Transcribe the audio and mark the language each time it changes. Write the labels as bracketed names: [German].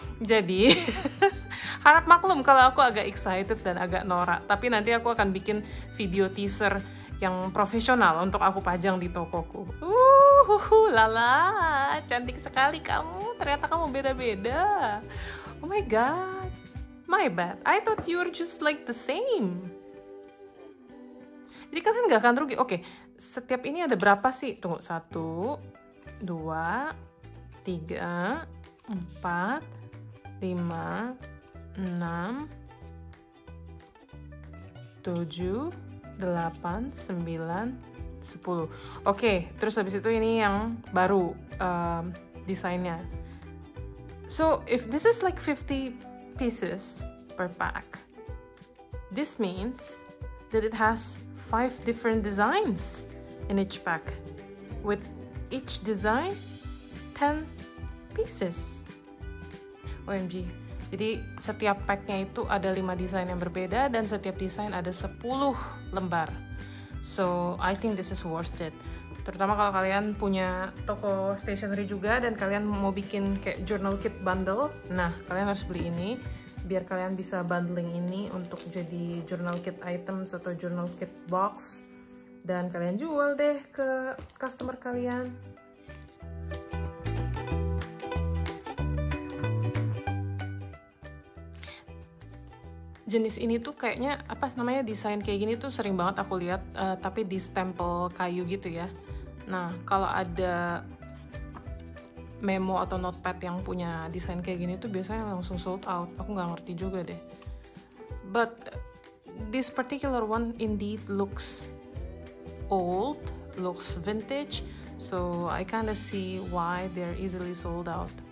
[Indonesian] Jadi, harap maklum kalau aku agak excited dan agak norak. Tapi nanti aku akan bikin video teaser yang profesional untuk aku pajang di tokoku. Lala, cantik sekali kamu. Ternyata kamu beda-beda. [English] Oh my god. My bad. I thought you were just like the same. [Indonesian] Jadi kalian gak akan rugi. Oke, okay, setiap ini ada berapa sih? Tunggu, 1, 2, 3, 4, 5, 6, 7, 8, 9, 10. Oke, okay, terus habis itu ini yang baru desainnya. [English] So, if this is like 50 pieces per pack, this means that it has 5 different designs in each pack with each design 10 pieces. OMG. [Indonesian] Jadi setiap packnya itu ada 5 desain yang berbeda dan setiap desain ada 10 lembar. [English] So, I think this is worth it. [Indonesian] Terutama kalau kalian punya toko stationery juga dan kalian mau bikin kayak journal kit bundle. Nah, kalian harus beli ini biar kalian bisa bundling ini untuk jadi journal kit items atau journal kit box. Dan kalian jual deh ke customer kalian. Jenis ini tuh kayaknya, apa namanya, desain kayak gini tuh sering banget aku lihat, tapi di stempel kayu gitu ya. Nah, kalau ada memo atau notepad yang punya desain kayak gini tuh biasanya langsung sold out. Aku nggak ngerti juga deh. [English] But this particular one indeed looks old, looks vintage, so I kinda see why they're easily sold out.